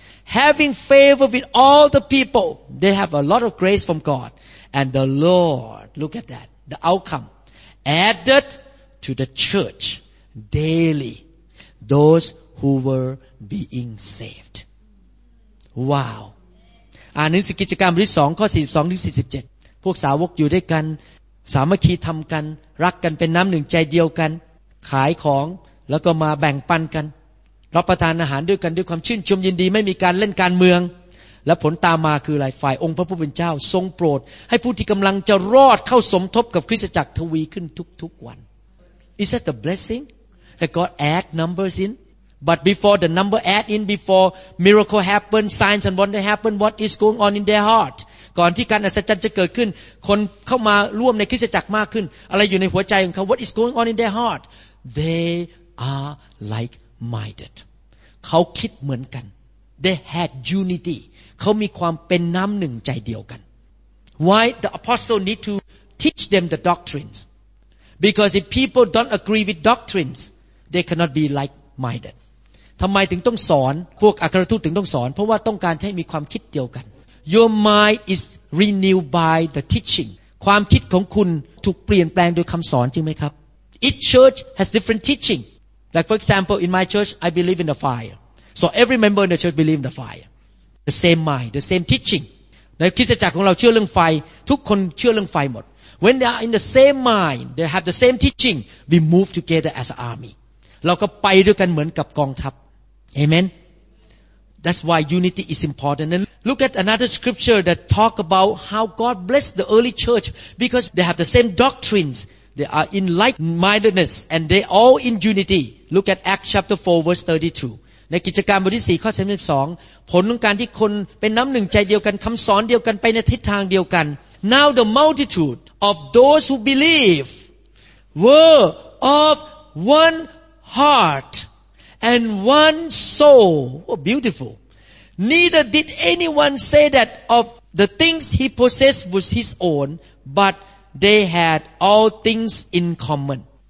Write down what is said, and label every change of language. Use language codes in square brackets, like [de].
[en] Having favor with all the people. They have a lot of grace from God. And the Lord, look at that. The outcome. Added to the church daily those who were being saved. Wow. [th] อ่านหนังสือกิจกรรมบทที่2ข้อ42ถึง47พวกสาวกอยู่ด้วยกันสามัคคีทำกันรักกันเป็นน้ำหนึ่งใจเดียวกันขายของแล้วก็มาแบ่งปันกันรับประทานอาหารด้วยกันด้วยความชื่นชมยินดีไม่มีการเล่นการเมืองและผลตามมาคืออะไรฝ่ายองค์พระผู้เป็นเจ้าทรงโปรดให้ผู้ที่กำลังจะรอดเข้าสมทบกับคริสตจักรทวีขึ้นทุกๆวัน [en] Is that the blessing that God add numbers in but before the number add in before miracle happen signs and wonder happen what is going on in their heart [th] ก่อนที่การอัศจรรย์จะเกิดขึ้นคนเข้ามาร่วมในคริสตจักรมากขึ้นอะไรอยู่ในหัวใจของเขา [en] What is going on in their heart they are like minded [th] เขาคิดเหมือนกัน [en] they had unity [th] เขามีความเป็นน้ำหนึ่งใจเดียวกัน [en] Why the apostle need to teach them the doctrines? Because if people don't agree with doctrines, they cannot be like-minded. [th] ทำไมถึงต้องสอนพวกอัครทูตถึงต้องสอนเพราะว่าต้องการให้มีความคิดเดียวกัน [en] Your mind is renewed by the teaching. [th] ความคิดของคุณถูกเปลี่ยนแปลงโดยคำสอนจริงไหมครับ [en] Each church has different teaching. Like for example, in my church, I believe in the fire. So every member in the church believe in the fire. The same mind, the same teaching. [th] ในคริสตจักรของเราเชื่อเรื่องไฟทุกคนเชื่อเรื่องไฟหมด [en] When they are in the same mind, they have the same teaching, we move together as an army. [th] เราก็ไปด้วยกันเหมือนกับกองทัพ Amen? [en] That's why unity is important. And look at another scripture that talk about how God blessed the early church because they have the same doctrines. They are in like-mindedness and they all in unity. Look at Acts chapter 4 verse 32. [th] ในกิจการบทที่4ข้อ32ผลของการที่คนเป็นน้ำหนึ่งใจเดียวกันคำสอนเดียวกันไปในทิศทางเดียวกัน [en] Now the multitude of those who believe were of one heart and one soul. Oh, beautiful. Neither did anyone say that of the things he possessed was his own, but they had all things in common.